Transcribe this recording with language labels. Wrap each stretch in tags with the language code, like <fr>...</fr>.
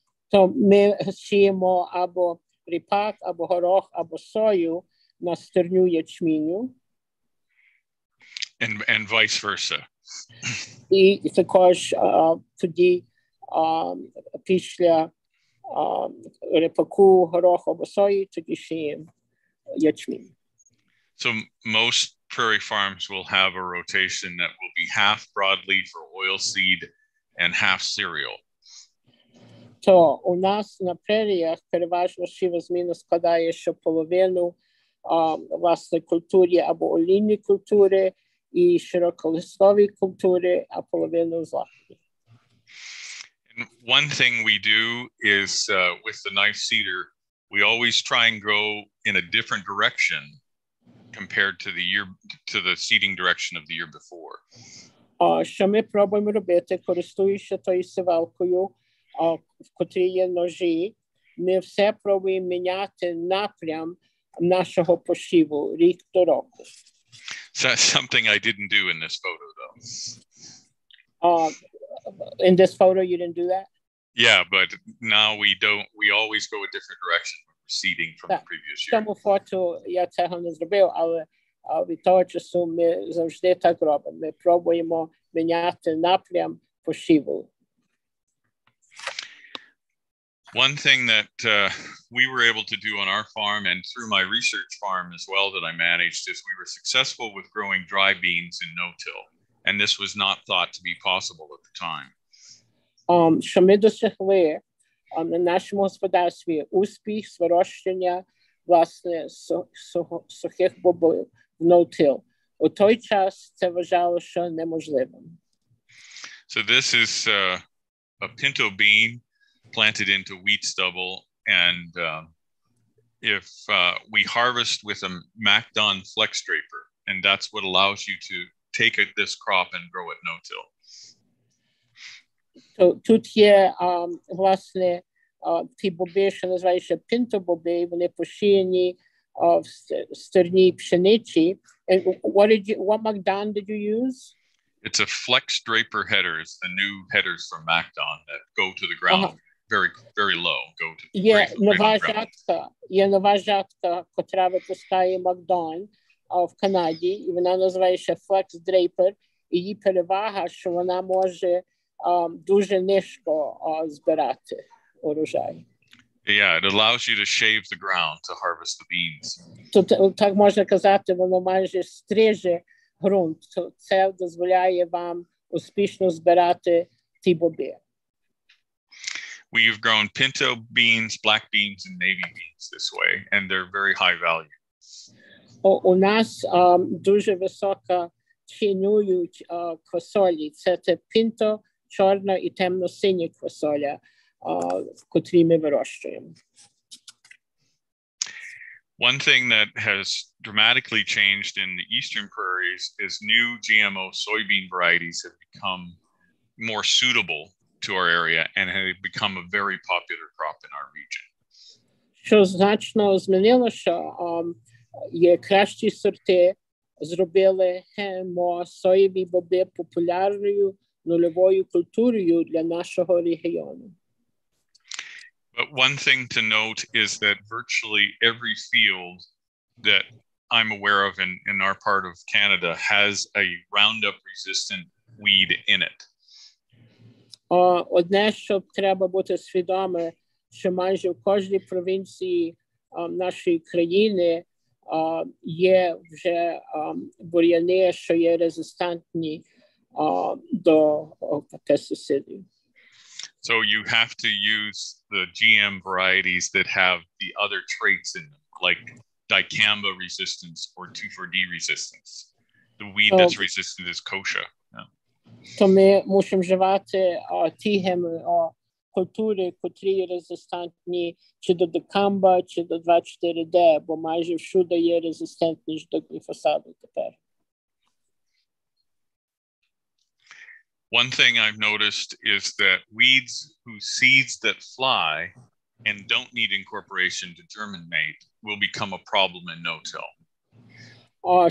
<uk>То ми сіємо або ріпак, або горох, або сою на стерню ячміню.</uk> <en>And vice versa.</en> <uk>І також тоді після репаку горох або сої, тоді сіємо ячмінь.</uk> <en>So most prairie farms will have a rotation that will be half broadleaf or oilseed and half cereal.</en> <uk>То у нас на преріях переважно сівозміна складає, що половину власне культурі або олійні культури і широколистові культури, а половину злаки.</uk> <en>One thing we do is with the knife seeder, we always try and go in a different direction compared to the year to the seeding direction of the year before.</en> <uk>Що ми пробуємо робити, користуючи тою сівалкою, в котрій є ножі, ми все пробуємо міняти напрям нашого посіву рік до року.</uk> <en>So something I didn't do in this photo, though. In this photo, you didn't do that? Yeah, but now we don't. We always go a different direction when we're seeding from the previous year.</en> <uk>Тому фото я цього не зробив, але від того часу ми завжди так робимо. Ми пробуємо міняти напрям посіву.</uk> <en>One thing that we were able to do on our farm and through my research farm as well that I managed is we were successful with growing dry beans in no-till. And this was not thought to be possible at the time.</en> <uk>Що ми досягли на нашому господарстві успіх з вирощення власне сухих бобів в no-till. У той час це вважалося, що неможливим.</uk> <en>So this is a pinto bean planted into wheat stubble, and if we harvest with a MacDon flex draper, and that's what allows you to take this crop and grow it no-till.</en> <uk>So, тут є, власне, ті боби, що називаються пінто боби, вони посіяні в стерні пшениці.</uk> <en>And what MacDon did you use? It's a flex draper header. It's the new headers from MacDon that go to the ground. Uh-huh. Very low. Go to</en> <uk>yeah, нова жатка. Є нова жатка, котра випускає MacDon в Канаді, і вона називається Flex Draper. Її перевага, що вона може дуже низько збирати урожай.</uk> <en>Yeah, it allows you to shave the ground to harvest the beans.</en> <uk>То так можна казати, воно майже стриже ґрунт. Це дозволяє вам успішно збирати ті боби.</uk> <en>We've grown pinto beans, black beans, and navy beans this way, and they're very high value.</en> <uk>У нас дуже висока цінують квасолі. Це пінто, чорна і темно-синя квасоля, котрі ми вирощуємо.</uk> <en>One thing that has dramatically changed in the eastern prairies is new GMO soybean varieties have become more suitable to our area and had become a very popular crop in our region.</en> <uk>Що значно змінилося, є кращі сорти, зробили GMO соєві боби популярною нульовою культурою для нашого регіону.</uk> <en>But one thing to note is that virtually every field that I'm aware of in our part of Canada has a Roundup resistant weed in it.</en> <uk>Одне, що треба бути свідомо, що майже в кожній провінції нашої країни є вже бур'яни, що є резистентні до пестицидів.</uk> <en>So you have to use the GM varieties that have the other traits in them, like dicamba resistance or 2,4-D resistance. The weed that's resistant is kochia.</en> <uk>То ми мусимо вживати ті геми культури, котрі резистентні чи до дикамба, чи до 24D, бо майже всюди є резистентні ж до гліфосату тепер.</uk> <en>One thing I've noticed is that weeds whose seeds that fly and don't need incorporation to germinate will become a problem in no-till.</en>